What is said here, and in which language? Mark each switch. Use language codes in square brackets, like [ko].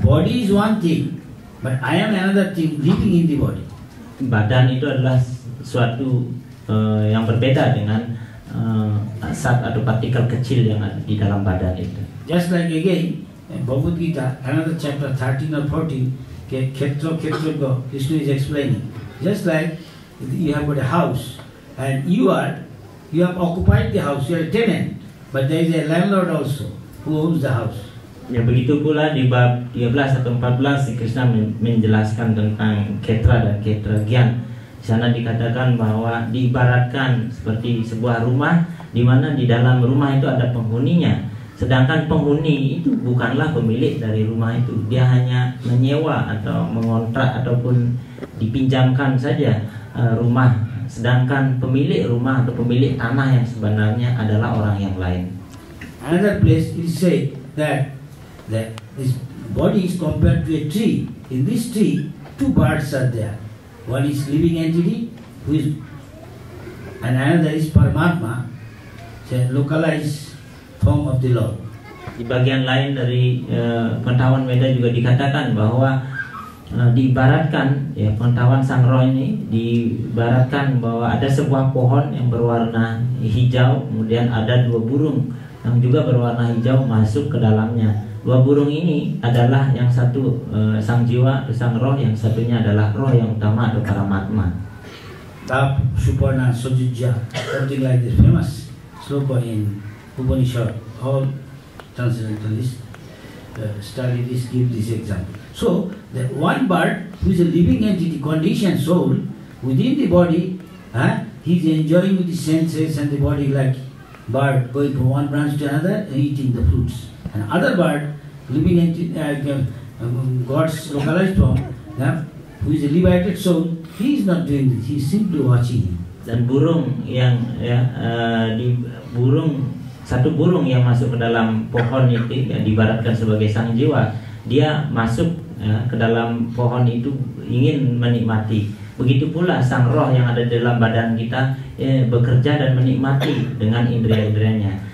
[en] Body is one thing, but I am another thing living in the body. [id] Badan itu adalah suatu yang berbeda dengan zat atau partikel kecil yang ada di dalam badan itu. [en] Just like again, Bhagavad Gita, another chapter 13 or 14, Khetro, Krishna is explaining. Just like you have got a house and you have occupied the house, you are a tenant, but there is a landlord also who owns the house. [id] Ya, begitu pula di bab 13 atau 14 Krishna menjelaskan tentang Khetra dan Khetragyan. Di sana dikatakan bahwa diibaratkan seperti sebuah rumah di mana di dalam rumah itu ada penghuninya, sedangkan penghuni itu bukanlah pemilik dari rumah itu, dia hanya menyewa atau mengontrak ataupun dipinjamkan saja rumah, sedangkan pemilik rumah atau pemilik tanah yang sebenarnya adalah orang yang lain. [en] Another place is said that this body is compared to a tree. In this tree, two parts are there. One is living entity, who is, and another is Paramatma, the localized form of the Lord. [id] Di bagian lain dari pengetahuan Weda juga dikatakan bahwa diibaratkan ya, pengetahuan sang roh ini diibaratkan bahwa ada sebuah pohon yang berwarna hijau, kemudian ada dua burung yang juga berwarna hijau masuk ke dalamnya. Dua burung ini adalah yang satu sang jiwa atau sang roh, yang satunya adalah roh yang utama atau paramatma. [en] Tap, supana, sojija, something like this, famous sloka in Upanishad, all transcendentalists study this, give this example. So, that one bird who is a living entity, conditioned soul, within the body, he is enjoying the senses and the body like bird going from one branch to another and eating the fruits. And other bird, living entity, God's localized form, who is a liberated soul, he is not doing this, he is simply watching him. [id] Dan burung yang di burung, satu burung yang masuk ke dalam pohon itu ya, diibaratkan sebagai sang jiwa, dia masuk ke dalam pohon itu ingin menikmati. Begitu pula sang roh yang ada di dalam badan kita bekerja dan menikmati dengan indera-inderanya.